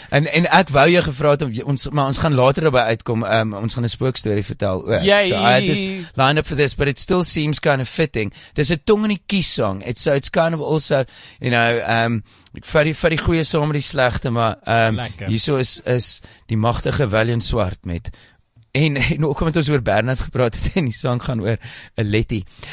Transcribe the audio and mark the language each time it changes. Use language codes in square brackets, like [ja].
[af] En ek wou jou gevra het, ons gaan later daarby uitkom, ons gaan 'n spookstory vertel ook. Yay. [en] So I had this line up for this, but it still seems kind of fitting. There's a [af] tong in die kies [en] song. It's kind of also, you know, [af] Vir die goeie saam met die slegte, maar hierso is die magtige Willem Swart met en ook omdat ons oor Bernard gepraat het en die sang gaan oor 'n Letty.